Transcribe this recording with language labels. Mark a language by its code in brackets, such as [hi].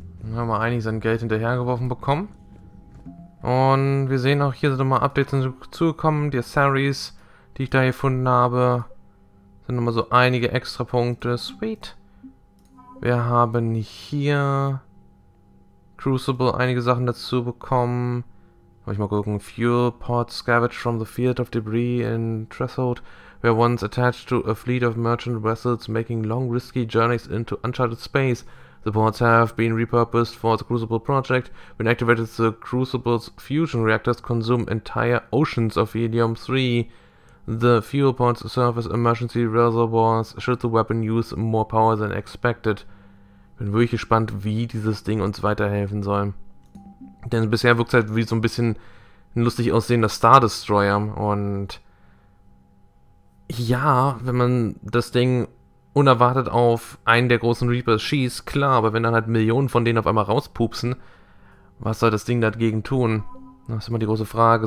[de] Dann haben wir einige sein Geld hinterhergeworfen bekommen. Und wir sehen auch hier sind nochmal Updates hinzugekommen. Die Asaris, die ich da gefunden habe, sind nochmal so einige extra Punkte. Sweet. Wir haben hier Crucible einige Sachen dazu bekommen. Muss ich mal gucken. [en] Fuel pod scavenged from the field of debris in Threshold. Were once attached to a fleet of merchant vessels making long risky journeys into uncharted space. The pods have been repurposed for the Crucible project. When activated, the Crucible's fusion reactors consume entire oceans of helium-3. The fuel pods serve as emergency reservoirs should the weapon use more power than expected. [de] Bin wirklich gespannt, wie dieses Ding uns weiterhelfen soll. Denn bisher wirkt es halt wie so ein bisschen ein lustig aussehender Star Destroyer. Und ja, wenn man das Ding unerwartet auf einen der großen Reapers schießt, klar, aber wenn dann halt Millionen von denen auf einmal rauspupsen, was soll das Ding dagegen tun? Das ist immer die große Frage.